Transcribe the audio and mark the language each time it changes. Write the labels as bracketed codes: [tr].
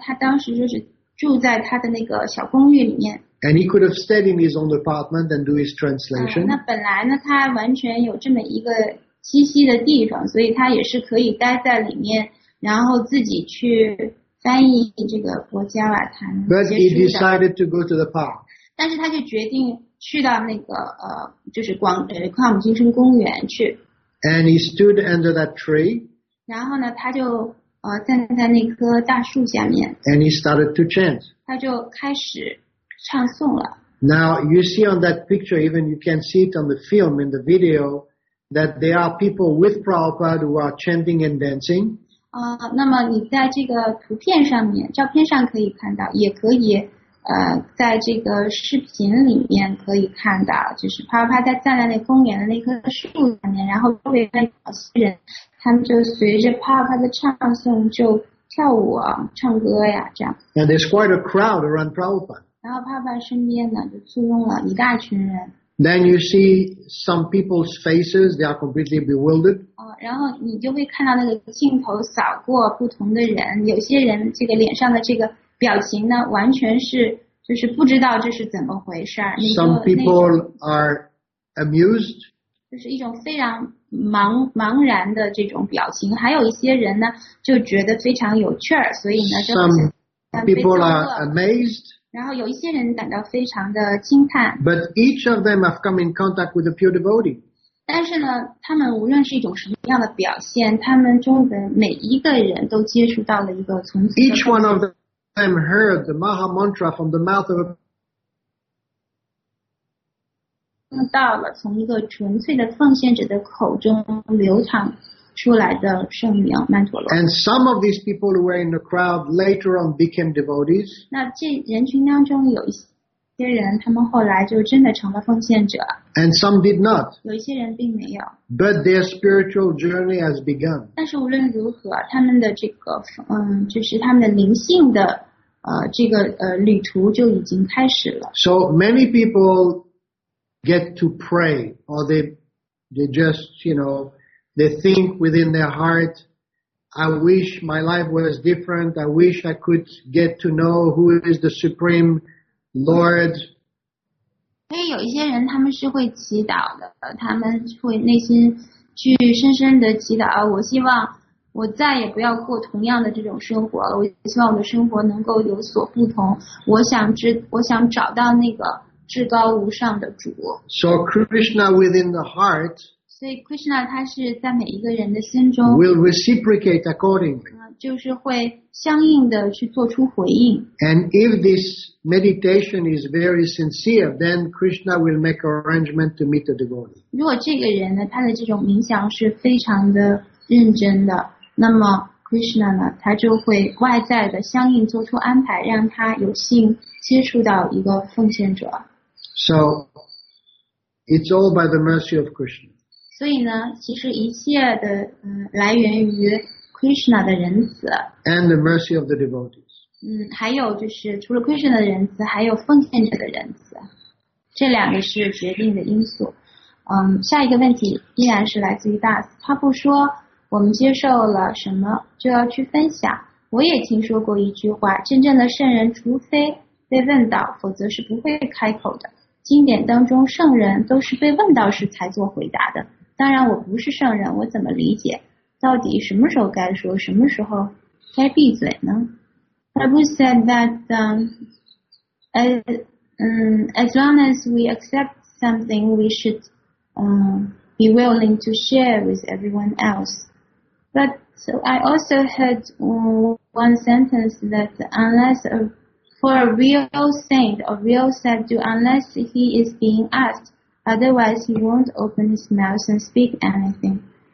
[zh] 他当时就是住在他的那个小公寓里面。 [en] And he could have stayed in his own apartment and do his translation. [zh] 那本来呢，他完全有这么一个栖息的地方，所以他也是可以待在里面，然后自己去翻译这个《博伽瓦坛》。 [en] But he decided to go to the park. [zh] 但是他就决定去到那个就是广旷姆金生公园去。 [en] And he stood under that tree. [zh] 然后呢，他就站在那棵大树下面。 [en] And he started to chant. [zh] 他就开始唱诵了。 [en] Now you see on that picture, even you can see it on the film in the video, that there are people with Prabhupada who are chanting and dancing. [zh] 那么你在这个图片上面，照片上可以看到，也可以在这个视频里面可以看到，就是啪啪啪在站在那公园的那棵树上面，然后周围的那些人，他们就随着啪啪啪的唱诵就跳舞啊，唱歌呀，这样。 [en] And there's quite a crowd around Prabhupada. [zh] 然后啪啪身边呢就簇拥了一大群人。 [en] Then you see some people's faces; they are completely bewildered. [zh] 然后你就会看到那个镜头扫过不同的人，有些人这个脸上的这个表情呢，完全是就是不知道这是怎么回事儿。 [en] Some people are amused. [zh] 就是一种非常茫然的这种表情。还有一些人呢，就觉得非常有趣儿，所以呢，就 [en] Some people are amazed. [zh] 然后有一些人感到非常的惊叹。 [en] But each of them have come in contact with a pure devotee. [zh] 但是呢，他们无论是一种什么样的表现，他们中的每一个人都接触到了一个从此。 [en] Each one of them. I heard the Maha Mantra from the mouth of [zh] a 到了从一个纯粹的奉献者的口中流淌出来的圣名曼陀罗。 [en] And some of these people who were in the crowd later on became devotees. [zh] 那这人群当中有一些人，他们后来就真的成了奉献者。 [en] And some did not. [zh] 有一些人并没有。 [en] But their spiritual journey has begun. [zh] 但是无论如何，他们的这个就是他们的灵性的这个旅途就已经开始了。 [en] So many people get to pray, or they just, you know, they think within their heart, I wish my life was different. I wish I could get to know who is the Supreme Lord. [zh] 所以有一些人他们是会祈祷的，他们会内心去深深的祈祷，我希望我再也不要过同样的这种生活了，我希望我的生活能够有所不同，我想找到那个至高无上的主。 [en] So Krishna within the heart, [zh] 所以 Krishna 他是在每一个人的心中 [en] will reciprocate accordingly, [zh] 就是会相应的去做出回应。 [en] And if this meditation is very sincere, then Krishna will make arrangement to meet the devotee. [zh] 如果这个人呢，他的这种冥想是非常的认真的，那么 Krishna 呢，他就会外在的相应做出安排，让他有幸接触到一个奉献者。 [en] So it's all by the mercy of Krishna. [zh] 所以呢，其实一切的来源于Krishna 的仁慈 [en] and the mercy of the devotees. [zh] 还有就是除了 Krishna 的仁慈，还有奉献者的仁慈，这两个是决定的因素。下一个问题依然是来自于 Das， 他不说我们接受了什么就要去分享。我也听说过一句话，真正的圣人除非被问到，否则是不会开口的。经典当中圣人都是被问到时才做回答的。当然我不是圣人，我怎么理解？到底什么时候该说，什么时候该闭嘴呢？ [en] Prabhu said that as long as we accept something, we should be willing to share with everyone else. But so I also heard one sentence that unless for a real saint, a real sadhu, unless he is being asked, otherwise he won't open his mouth and speak anything.